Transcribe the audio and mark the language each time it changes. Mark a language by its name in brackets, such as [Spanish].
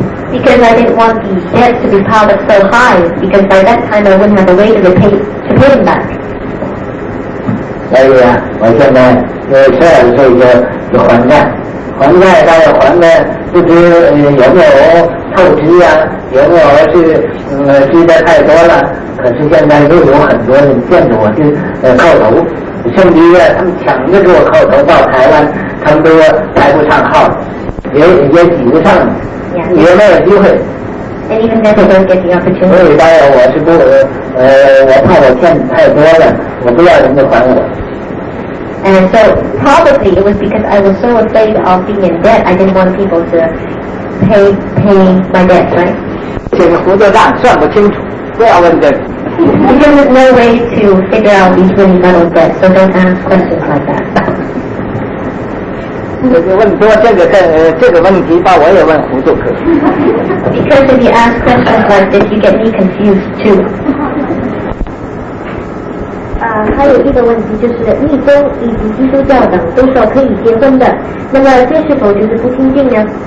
[English] Because I didn't want the debt to be piled up so high, because by that time I wouldn't have a way to pay them back. [Chinese] 所以啊，我现在十二岁就还债。还债倒要还的，不知有没有透支啊？有没有是积得太多了？可是现在又有很多人见着我就叩头，甚至啊，他们抢着给我叩头到台湾，他们都说排不上号，也挤不上，也没有机会。所以当然我是不我怕我欠太多了，我不要人家还我。 [English] And so probably it was because I was so afraid of being in debt, I didn't want people to pay my debt, right? Because there's no way to figure out these really little debts, so don't ask questions like that. Because if you ask questions like this, you get me confused too. [Chinese] 还有一个问题就是密宗以及基督教等都说可以结婚的，那么这是否就是不清净呢？